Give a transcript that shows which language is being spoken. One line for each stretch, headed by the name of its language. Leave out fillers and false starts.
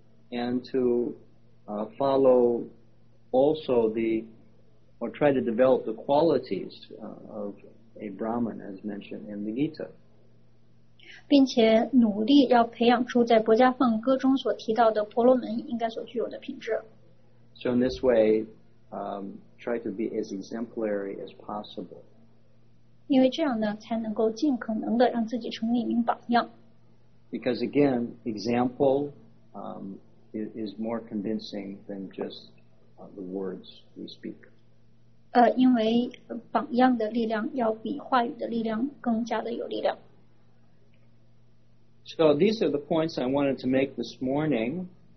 English: And to follow also the or try to develop the qualities of a Brahman as mentioned in the Gita.
Chinese: 并且努力要培养出在《博迦梵歌》中所提到的婆罗门应该所具有的品质。
English: So in this way, try to be as exemplary as possible.
Chinese: 因为这样呢,才能够尽可能地让自己成为一名榜样。
English: Because again, example is more convincing than just the words we speak.
Chinese: 因为榜样的力量要比话语的力量更加的有力量。
English: So these are the points I wanted to make this morning.